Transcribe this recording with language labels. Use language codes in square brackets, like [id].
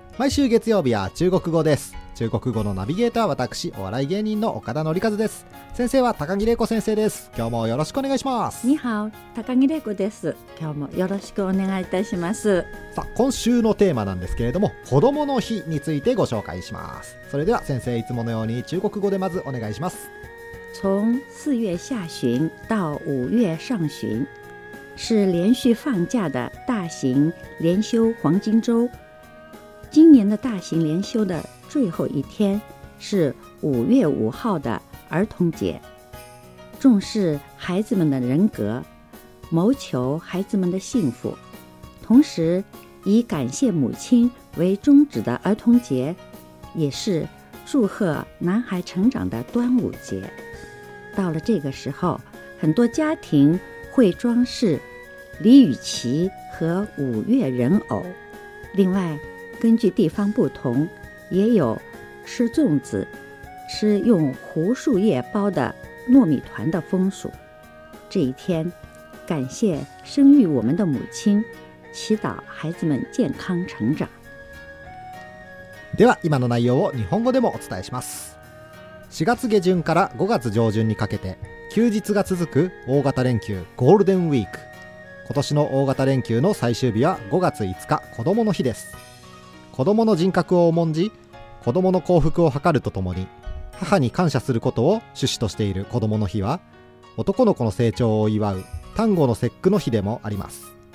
[ja] 毎週月曜日は中国語です。中国語のナビゲーターは私、お笑い芸人の岡田紀一です。先生は高木玲子先生です。今日もよろしくお願いします。 [zh] 你好、 [ja] 高木玲子です。今日もよろしくお願いいたします。さあ、今週のテーマなんですけれども、子どもの日についてご紹介します。それでは先生、いつものように中国語でまずお願いします。 [zh] 从四月下旬到五月上旬是连续放假的大型连休黄金周。今年的大型连休的最后一天是五月五号的儿童节。重视孩子们的人格，谋求孩子们的幸福，同时以感谢母亲为宗旨的儿童节，也是祝贺男孩成长的端午节。到了这个时候，很多家庭会装饰李雨琦和五月人偶，另外根据地方不同，也有吃粽子、吃用胡树叶包的糯米团的风俗。这一天感谢生育我们的母亲，祈祷孩子们健康成长。 [ja] では今の内容を日本語でもお伝えします。4月下旬から5月上旬にかけて休日が続く大型連休ゴールデンウィーク。今年の大型連休の最終日は5月5日、子どもの日です。子どもの人格を重んじ、子どもの幸福を図るとともに母に感謝することを趣旨としている子どもの日は、男の子の成長を祝う端午の節句の日でもあります。